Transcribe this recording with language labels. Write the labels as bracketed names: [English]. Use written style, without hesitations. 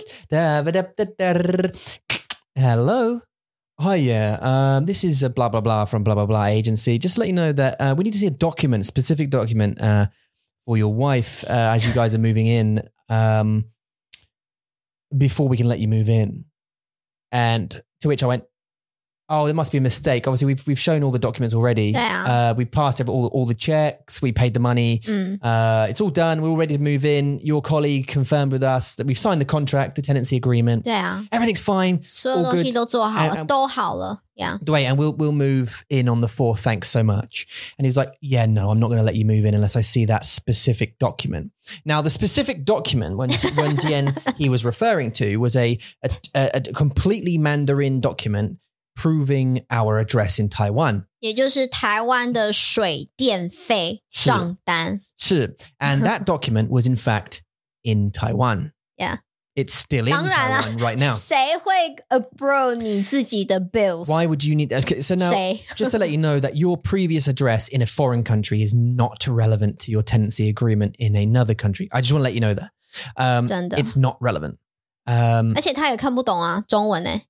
[English] da ba da da da hello hi yeah this is a blah blah blah from blah blah blah agency just to let you know that we need to see a document specific documentor your wife, as you guys are moving in, before we can let you move in. And to which I went, oh, there must be a mistake. Obviously, we've shown all the documents already. Yeah. We passed over all the checks. We paid the money. It's all done. We're all ready to move in. Your colleague confirmed with us that we've signed the contract, the tenancy agreement. Yeah. Everything's fine. [Chinese] 所有东西都做好了,都好了。 [English] Yeah. Wait, and we'll move in on the 4th. Thanks so much. And he's like, yeah, no, I'm not going to let you move in unless I see that specific document. Now, the specific document when Dien he was referring to was a completely Mandarin document proving our address in Taiwan. [Chinese] 也就是台湾的水电费账单。是。 [English] And that document was, in fact, in Taiwan. Yeah. It's still in Taiwan right now. [Chinese] 谁会 approve 你自己的 bills? [English] Why would you need... Okay, so now, just to let you know that your previous address in a foreign country is not relevant to your tenancy agreement in another country. I just want to let you know that. [Chinese] 真的。 [English] It's not relevant. [Chinese] 而且他也看不懂啊,中文耶。